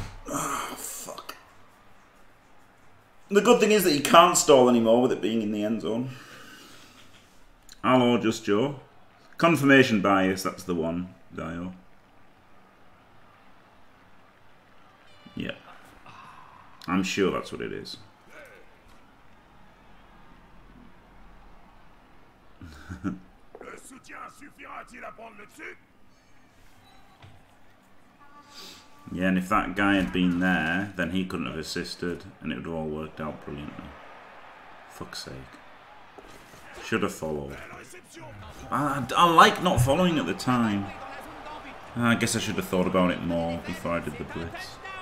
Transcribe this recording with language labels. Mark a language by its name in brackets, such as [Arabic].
[English] Oh, fuck. The good thing is that you can't stall anymore with it being in the end zone. Hello, Just Joe. Confirmation bias, that's the one, Dio. Yeah. I'm sure that's what it is. [French] Le soutien suffira-t-il à prendre le dessus? [English] Yeah, and if that guy had been there, then he couldn't have assisted, and it would have all worked out brilliantly. Fuck's sake. Should have followed. I like not following at the time. I guess I should have thought about it more before I did the blitz.